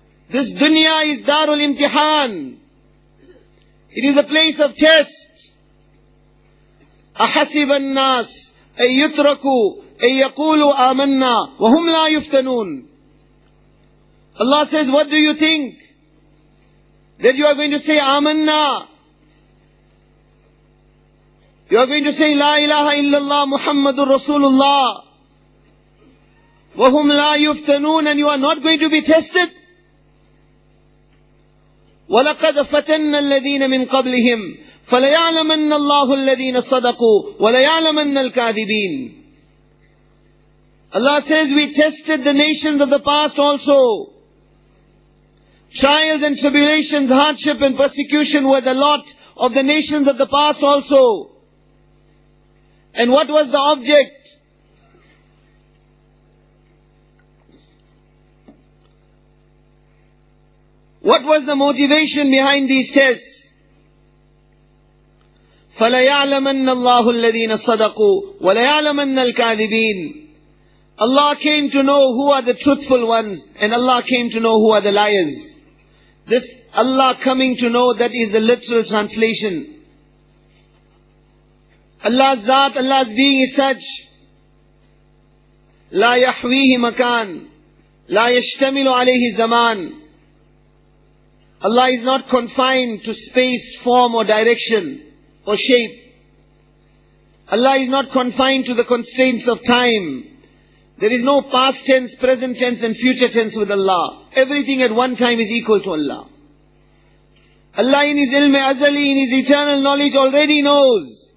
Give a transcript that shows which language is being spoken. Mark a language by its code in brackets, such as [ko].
[en] This dunya is Darul Imtihan. It is a place of test. [ar] أَحَسِبَ النَّاسِ أَن يُتْرَكُوا أَن يَقُولُوا آمَنَّا وَهُمْ لَا يُفْتَنُونَ. [en] Allah says, what do you think? That you are going to say آمَنَّا. You are going to say [ar] لا إله إلا الله محمد رسول الله. وَهُمْ لَا يُفْتَنُونَ. [en] And you are not going to be tested. [ar] وَلَقَدْ فَتَنَّ الَّذِينَ مِنْ قَبْلِهِمْ فَلَيَعْلَمَنَّ اللَّهُ الَّذِينَ صَدَقُوا وَلَيَعْلَمَنَّ الْكَاذِبِينَ. [en] Allah says, we tested the nations of the past also. Trials and tribulations, hardship and persecution were the lot of the nations of the past also. And what was the object? What was the motivation behind these tests? [ar] فَلَيَعْلَمَنَّ اللَّهُ الَّذِينَ صَدَقُوا وَلَيَعْلَمَنَّ الْكَاذِبِينَ. [en] Allah came to know who are the truthful ones, and Allah came to know who are the liars. This Allah coming to know, that is the literal translation. Allah's Zat, Allah's being is such, [ar] لَا يَحْوِيهِ مَكَانٌ لَا يَشْتَمِلُ عَلَيْهِ زَمَانٌ. [en] Allah is not confined to space, form or direction or shape. Allah is not confined to the constraints of time, There is no past tense, present tense and future tense with Allah. Everything at one time is equal to Allah. Allah in His ilm-e azali, in His eternal knowledge already knows.